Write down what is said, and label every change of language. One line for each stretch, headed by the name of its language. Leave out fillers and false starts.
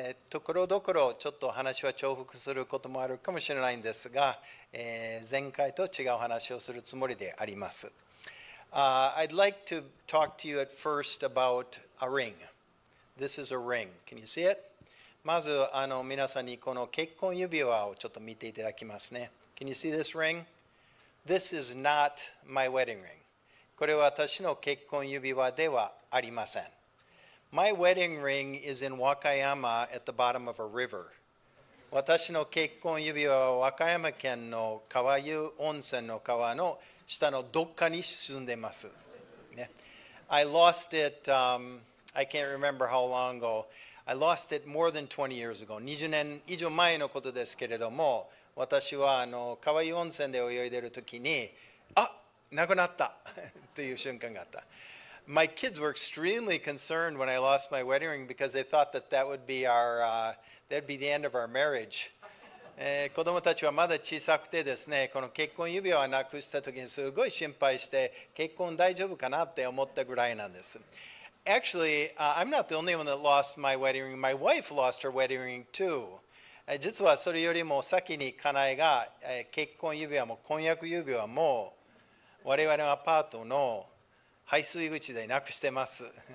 Japanese: ところどころちょっと話は重複することもあるかもしれないんですが、前回と違う話をするつもりであります。
English: I'd like to talk to you at first about a ring. This is a ring. Can you see it?
Japanese: まず皆さんにこの結婚指輪をちょっと見ていただきますね。
English: Can you see this ring? This is not my wedding ring.
Japanese: これは私の結婚指輪ではありません。
English: My wedding ring is in Wakayama at the bottom of a river.
Japanese: 私の結婚指輪は和歌山県の川湯温泉の川の下のどっかに沈んでます。
English: I lost it, I can't remember how long ago. I lost it more than 20 years ago.
Japanese: 20年以上前のことですけれども、私は川湯温泉で泳いでいるときに、あ、なくなったという瞬間があった。
English: My kids were extremely concerned when I lost my wedding ring because they thought that that would be our, that'd be the end of our marriage.
Japanese: 子供たちはまだ小さくてですね、この結婚指輪をなくした時にすごい心配して、結婚大丈夫かなって思ったぐらいなんです。
English: Actually, I'm not the only one that lost my wedding ring. My wife lost her wedding ring too.
Japanese: 実はそれよりも先に家内が結婚指輪も婚約指輪も我々のアパートの排水口でなくしてます。